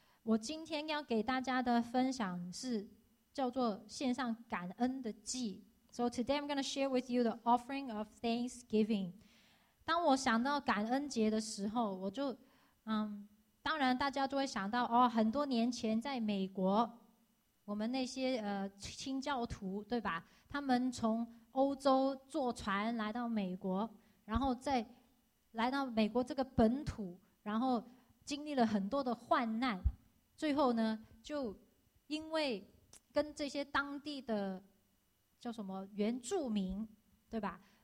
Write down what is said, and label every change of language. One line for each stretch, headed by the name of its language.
Chinese: 我今天要给大家的分享是叫做献上感恩的祭。
English: So today I'm going to share with you the offering of Thanksgiving.
Chinese: 当我想到感恩节的时候，我就当然大家就会想到哦，很多年前在美国，我们那些清教徒对吧？他们从欧洲坐船来到美国，然后再来到美国这个本土，然后经历了很多的患难，最后呢，就因为跟这些当地的叫什么原住民，对吧？